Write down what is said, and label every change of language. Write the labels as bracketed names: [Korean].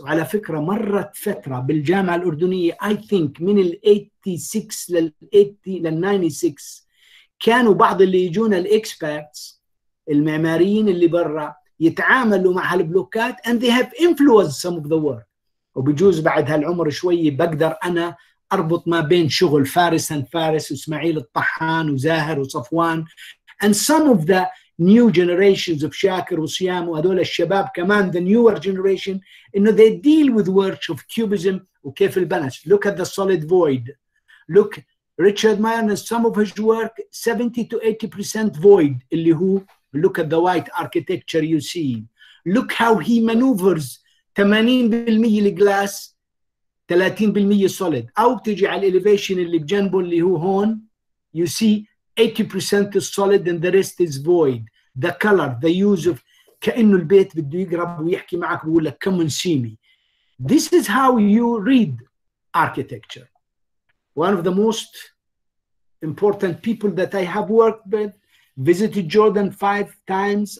[Arabic] وعلى فكرة مرت فترة بالجامعة الأردنية, [English] I think [Arabic] من الـ 86 للـ 96 كانوا بعض اللي يجون الـ expats المعماريين اللي برا يتعاملوا مع هالبلوكات [English] and they have influenced some of the work. [Arabic] وبجوز بعد هالعمر شوي بقدر أنا أربط ما بين شغل فارس and فارس وإسماعيل الطحان وزاهر وصفوان [English] and some of the new generations of [Arabic] شاكر وصيام وهذول الشباب كمان [English] the newer generation [Arabic] إنه [English] they deal with works of cubism [Arabic] وكيف البنش. [English] Look at the solid void. Look Richard Mayer and some of his work 70 to 80% void [Arabic] اللي هو [English] look at the white architecture you see. Look how he maneuvers 80% الجلاس 30% solid. [Arabic] أو تجي على الإليفيشن اللي بجنبه اللي هو هون [English] you see 80% is solid and the rest is void. The color, the use of [Arabic] كأنه البيت بده يقرب ويحكي معك ويقول لك [English] come and see me. This is how you read architecture. One of the most important people that I have worked with visited Jordan 5 times.